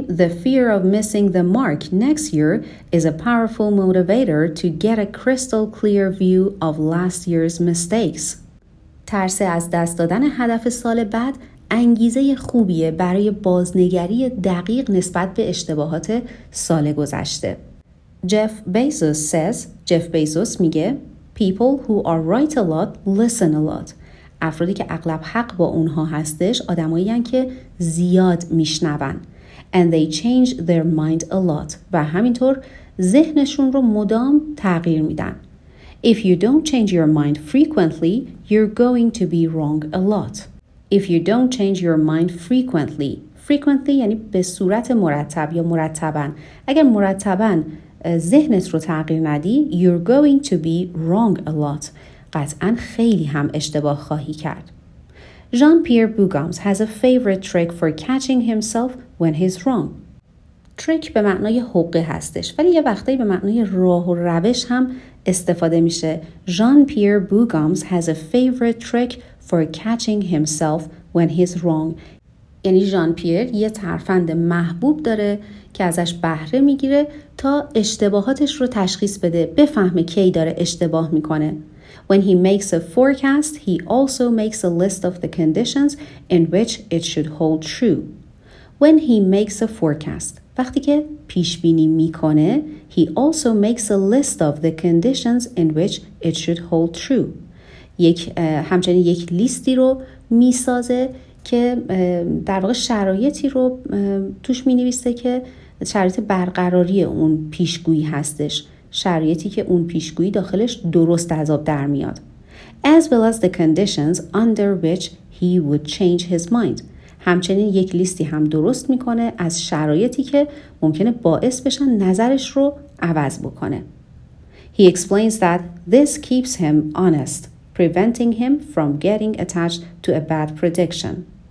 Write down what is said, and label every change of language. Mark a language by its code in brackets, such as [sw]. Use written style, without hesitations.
[en] The fear of missing the mark next year is a powerful motivator to get a crystal clear view of last year's mistakes. [fa] ترس از دست دادن هدف سال بعد انگیزه خوبیه برای بازنگری دقیق نسبت به اشتباهات سال گذشته. [en] Jeff Bezos says, Jeff Bezos [fa] میگه, [en] people who are right a lot listen a lot. [fa] افرادی که اغلب حق با اونها هستش آدمایی هستن که زیاد میشنون. [en] And they change their mind a lot. [fa] و همینطور ذهنشون رو مدام تغییر میدن. [en] If you don't change your mind frequently, you're going to be wrong a lot. If you don't change your mind frequently. [fa] Frequently یعنی به صورت مرتب یا مرتباً. اگر مرتباً ذهنت رو تغییر ندی، [en] you're going to be wrong a lot. [fa] قطعاً خیلی هم اشتباه خواهی کرد. [en] Jean Pierre بوگامز has a favorite trick for catching himself when he's wrong. [fa] تریک به معنای حقه هستش، ولی یه وقتایی به معنای راه و روش هم استفاده میشه. [en] Jean Pierre بوگامز has a favorite trick for catching himself when he's wrong. [fa] یعنی ژان پیر یه ترفند محبوب داره که ازش بهره میگیره تا اشتباهاتش رو تشخیص بده، بفهمه کی داره اشتباه میکنه. [en] When he makes a forecast, he also makes a list of the conditions in which it should hold true. When he makes a forecast, [fa] وقتی که پیشبینی میکنه, [en] he also makes a list of the conditions in which it should hold true. [fa] همچنین یک لیستی رو میسازه که در واقع شرایطی رو توش مینویسه که شرایط برقراری اون پیشگویی هستش. شرایطی که اون پیشگویی داخلش درست از آب در میاد. [en] As well as the conditions under which he would change his mind. [fa] همچنین یک لیستی هم درست میکنه از شرایطی که ممکنه باعث بشن نظرش رو عوض بکنه. [en] He explains that this keeps him honest, preventing him from getting attached to a bad prediction.